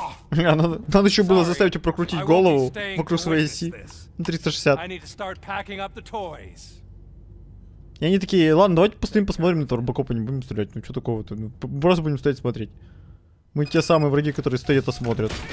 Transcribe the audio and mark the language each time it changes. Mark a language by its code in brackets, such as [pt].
[ru] Надо еще было заставить ее прокрутить голову вокруг своей оси. 360. [en] I need to start packing up the toys. [ru] И они такие, ладно, давайте постоим, посмотрим на этого Робокопа, не будем стрелять. Ну что такого-то? Ну, просто будем стоять смотреть. Мы те самые враги, которые стоят и смотрят.